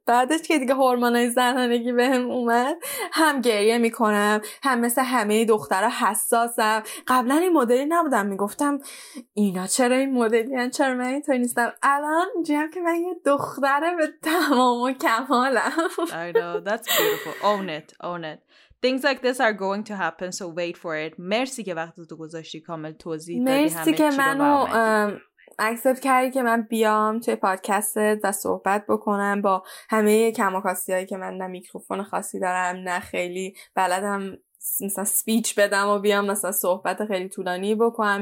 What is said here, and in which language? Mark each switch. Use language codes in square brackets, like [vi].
[fa] بعدش که دیگه هورمونای زنانگی بهم اومد هم گریه میکنم، هم مثل همه دخترا حساسم. قبلا این مدلی نبودم، میگفتم اینا چرا این مدلی ان، چرا من این طوری نیستم. الان جیم که من یه دختره به تمام و کمالم. [en] I know, that's beautiful. Own it. Own it. Things like this are going to happen, so wait for it. [fa] مرسی که وقت تو گذاشتی کامل توضیح دادی. مرسی که منو اکسپت کردی که من بیام توی پادکستت و صحبت بکنم با همه کماکاستی هایی که من نه میکروفون خاصی دارم نه خیلی بلدم مثلا سپیچ بدم و بیام مثلا صحبت خیلی طولانی بکنم.